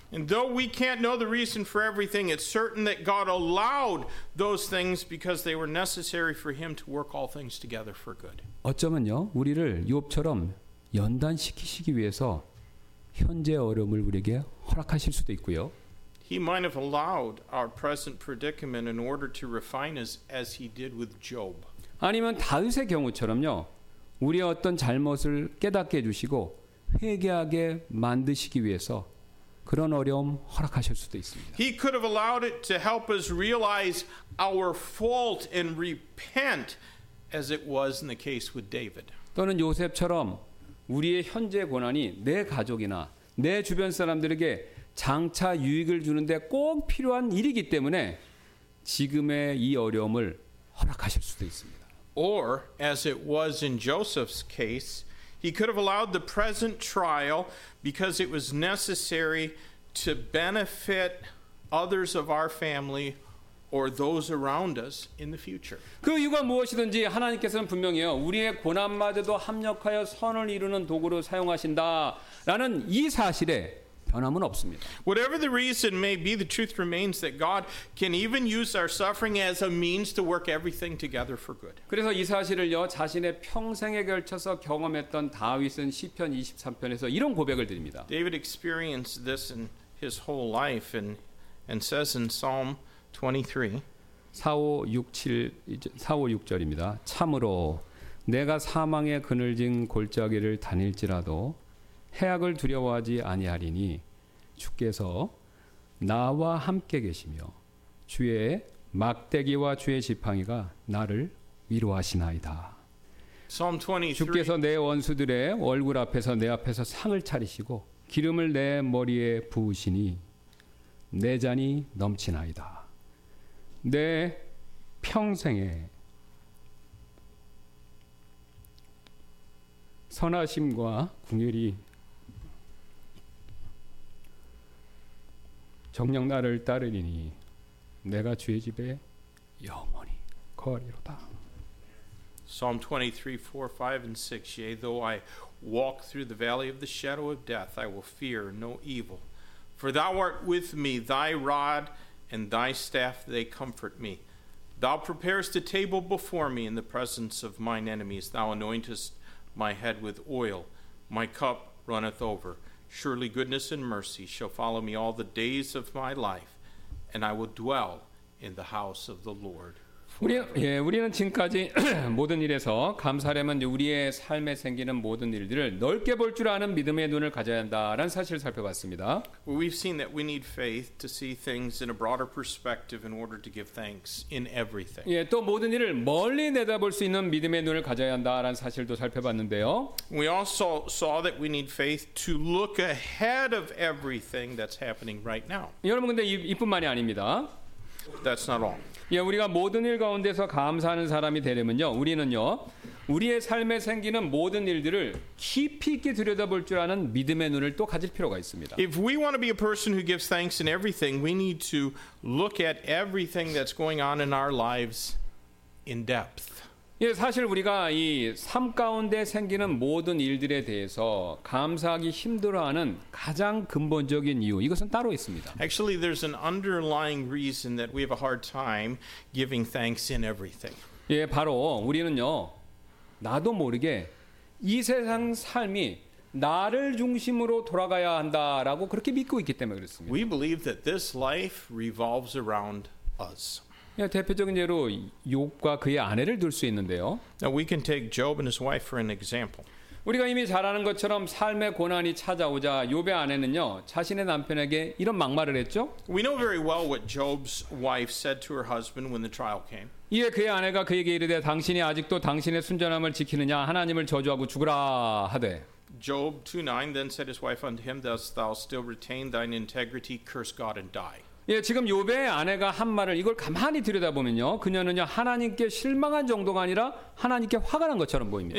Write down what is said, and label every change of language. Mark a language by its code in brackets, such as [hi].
[en] And though we can't know the reason for everything, it's certain that God allowed those things because they were necessary for Him to work all things together for good. [ko] 어쩌면요 우리를 욥처럼 연단시키시기 위해서 현재 어려움을 우리에게 허락하실 수도 있고요. [en] He might have allowed our present predicament in order to refine us as He did with Job. [ko] 아니면 다윗의 경우처럼요. 우리의 어떤 잘못을 깨닫게 해주시고 회개하게 만드시기 위해서 그런 어려움 허락하실 수도 있습니다. [en] He could have allowed it to help us realize our fault and repent as it was in the case with David. [ko] 또는 요셉처럼 우리의 현재 고난이 내 가족이나 내 주변 사람들에게 장차 유익을 주는데 꼭 필요한 일이기 때문에 지금의 이 어려움을 허락하실 수도 있습니다. [en] Or, as it was in Joseph's case, he could have allowed the present trial because it was necessary to benefit others of our family or those around us in the future. [ko] 그 이유가 무엇이든지 하나님께서는 분명히요 우리의 고난마저도 합력하여 선을 이루는 도구로 사용하신다라는 이 사실에 변함은 없습니다. [en] Whatever the reason may be, the truth remains that God can even use our suffering as a means to work everything together for good. [ko] 그래서 이 사실을요 자신의 평생에 걸쳐서 경험했던 다윗은 시편 23편에서 이런 고백을 드립니다. [en] David experienced this in his whole life and says in Psalm 23, [ko] 4, 5, 6절입니다. 참으로 내가 사망의 그늘진 골짜기를 다닐지라도 해악을 두려워하지 아니하리니 주께서 나와 함께 계시며 주의 막대기와 주의 지팡이가 나를 위로하시나이다. 주께서 내 원수들의 얼굴 앞에서 내 앞에서 상을 차리시고 기름을 내 머리에 부으시니 내 잔이 넘치나이다. 내 평생에 선하심과 긍휼이 정녕 나를 따르리니 내가 주의 집에 영원히 거하리로다. [en] Psalm 23, 4, 5, and 6. Yea, though I walk through the valley of the shadow of death, I will fear no evil. For thou art with me, thy rod and thy staff, they comfort me. Thou preparest a table before me in the presence of mine enemies. Thou anointest my head with oil. My cup runneth over. Surely goodness and mercy shall follow me all the days of my life, and I will dwell in the house of the Lord. [ko] 우리는 지금까지 모든 일에서 감사하려면 우리의 삶에 생기는 모든 일들을 넓게 볼 줄 아는 믿음의 눈을 가져야 한다라는 사실을 살펴봤습니다. [en] We've seen that we need faith to see things in a broader perspective in order to give thanks in everything. [ko] 예, 또 모든 일을 멀리 내다볼 수 있는 믿음의 눈을 가져야 한다라는 사실도 살펴봤는데요. [en] We also saw that we need faith to look ahead of everything that's happening right now. [ko] 여러분 근데 이뿐만이 아닙니다. [en] That's not all. [ko] 예, 우리가 모든 일 가운데서 감사하는 사람이 되려면요, 우리는요, 우리의 삶에 생기는 모든 일들을 깊이 있게 들여다볼 줄 아는 믿음의 눈을 또 가질 필요가 있습니다. [en] If we want to be a person who gives thanks in everything, we need to look at everything that's going on in our lives in depth. [ko] 예, 사실 우리가 이 삶 가운데 생기는 모든 일들에 대해서 감사하기 힘들어하는 가장 근본적인 이유, 이것은 따로 있습니다. [en] Actually, there's an underlying reason that we have a hard time giving thanks in everything. [ko] 예, 바로 우리는요, 나도 모르게 이 세상 삶이 나를 중심으로 돌아가야 한다라고 그렇게 믿고 있기 때문에 그렇습니다. [en] We believe that this life revolves around us. [ko] 대표적인 예로 욥과 그의 아내를 들 수 있는데요. [en] Now we can take Job and his wife for an example. [ko] 우리가 이미 잘 아는 것처럼 삶의 고난이 찾아오자 욥의 아내는요 자신의 남편에게 이런 막말을 했죠. [en] We know very well what Job's wife said to her husband when the trial came. [ko] 이에 그의 아내가 그에게 이르되 당신이 아직도 당신의 순전함을 지키느냐 하나님을 저주하고 죽으라 하되. [en] Job 2:9 then said his wife unto him, Dost thou still retain thine integrity? Curse God and die. [ko] 예, 지금 욥의 아내가 한 말을 이걸 가만히 들여다보면요, 그녀는요 하나님께 실망한 정도가 아니라 하나님께 화가 난 것처럼 보입니다.